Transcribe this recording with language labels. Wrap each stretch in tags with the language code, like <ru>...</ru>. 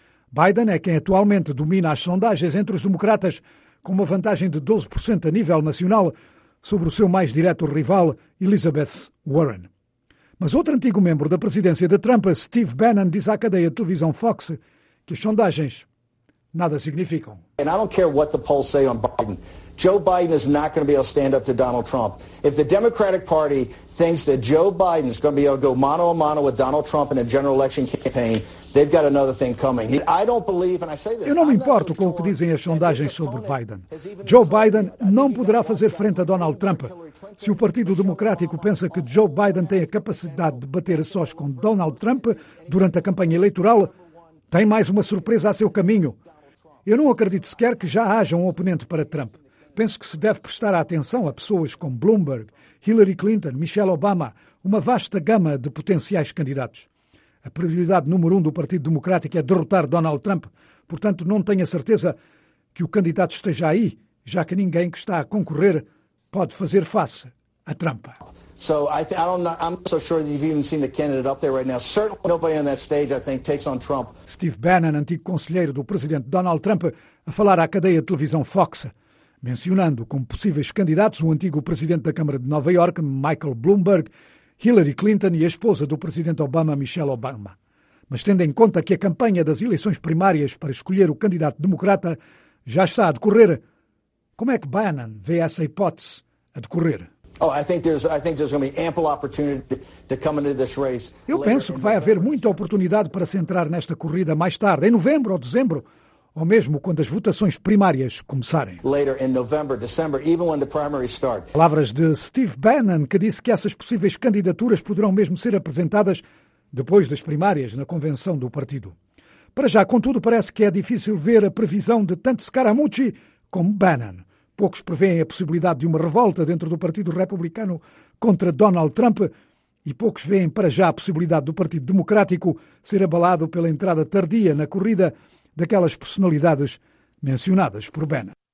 <pt>Biden é quem atualmente domina as sondagens entre os democratas, com uma vantagem de 12% a nível nacional sobre o seu mais direto rival, Elizabeth Warren. Mas outro antigo membro da presidência de Trump, Steve Bannon, diz à cadeia de televisão Fox que as sondagens nada significam.</pt> <en>And I don't care what the polls say on Biden. Joe Biden is not going to be able to stand up to Donald Trump. If the Democratic Party thinks that Joe Biden is going to be able to go mano a mano with Donald Trump in a general election campaign, they've got another thing coming. I don't believe, and I say this,</en> <pt>eu não me importo com o que dizem as sondagens sobre Biden. Joe Biden não poderá fazer frente a Donald Trump. Se o Partido Democrático pensa que Joe Biden tem a capacidade de bater a sós com Donald Trump durante a campanha eleitoral, tem mais uma surpresa a seu caminho. Eu não acredito sequer que já haja um oponente para Trump. Penso que se deve prestar atenção a pessoas como Bloomberg, Hillary Clinton, Michelle Obama, uma vasta gama de potenciais candidatos. A prioridade número um do Partido Democrático é derrotar Donald Trump. Portanto, não tenho a certeza que o candidato esteja aí, já que ninguém que está a concorrer pode fazer face a Trump.</pt> <en>So I'm not so sure that you've even seen the candidate up there right now. Certainly nobody on that stage, I think, takes on Trump.</en> <pt>Steve Bannon, antigo conselheiro do presidente Donald Trump, a falar à cadeia de televisão Fox, mencionando como possíveis candidatos o antigo presidente da Câmara de Nova York, Michael Bloomberg, Hillary Clinton e a esposa do presidente Obama, Michelle Obama. Mas tendo em conta que a campanha das eleições primárias para escolher o candidato democrata já está a decorrer, como é que Bannon vê essa hipótese a decorrer? Eu penso que vai haver muita oportunidade para se entrar nesta corrida mais tarde, em novembro ou dezembro, ou mesmo quando as votações primárias começarem.</pt> <en>Later in November, December, even when the primaries start.</en> <pt>Palavras de Steve Bannon, que disse que essas possíveis candidaturas poderão mesmo ser apresentadas depois das primárias na convenção do partido. Para já, contudo, parece que é difícil ver a previsão de tanto Scaramucci como Bannon. Poucos preveem a possibilidade de uma revolta dentro do Partido Republicano contra Donald Trump e poucos veem para já a possibilidade do Partido Democrático ser abalado pela entrada tardia na corrida daquelas personalidades mencionadas por Bannon.</pt>